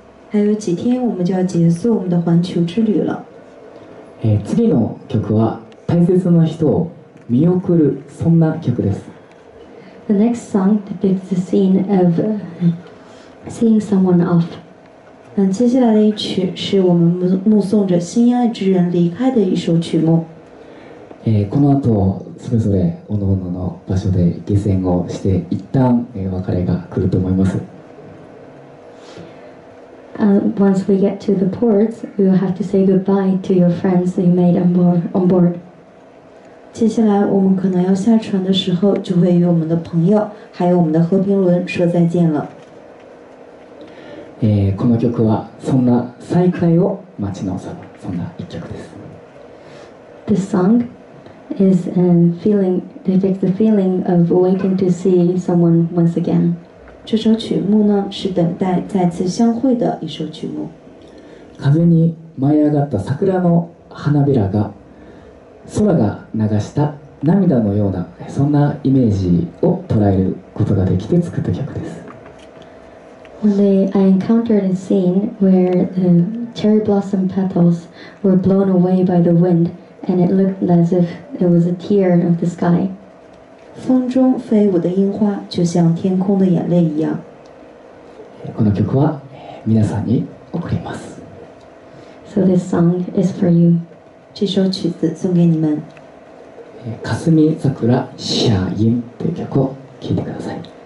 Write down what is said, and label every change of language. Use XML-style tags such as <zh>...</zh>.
<zh>还有几天我们就要结束我们的环球之旅了。</zh> <ja>次の曲は大切な人を見送るそんな曲です。</ja> <en>The next song depicts the scene of seeing someone off.</en> <zh>接下来的一曲是我们目送着心爱之人离开的一首曲目。</zh> <ja>この後それぞれ各々の場所で下船をして一旦別れが来ると思います。</ja> <en>Once we get to the port, we will have to say goodbye to your friends you made on board.</en> <zh>接下来我们可能要下船的时候，就会与我们的朋友还有我们的和平轮说再见了。</zh> <ja>この曲はそんな再会を待ち望むそんな一曲です。</ja> <en>This song is a feeling depicts the feeling of waiting to see someone once again.</en> <zh>这首曲目呢是等待再次相会的一首曲目。</zh> <ja>風に舞い上がった桜の花びらが空が流した涙のようなそんなイメージを捉えることができて作った曲です。</ja> <en>When I encountered a scene where the cherry blossom petals were blown away by the wind and it looked as if it was a tear of the sky.</en> <zh>風中飛舞的櫻花就像天空的眼淚一樣。</zh> <ja>この曲は皆さんに送ります。</ja> <en>So this song is for you.</en> <zh>这首曲子送给你们。</zh> <ja>霞桜社員という曲を聴いてください。</ja>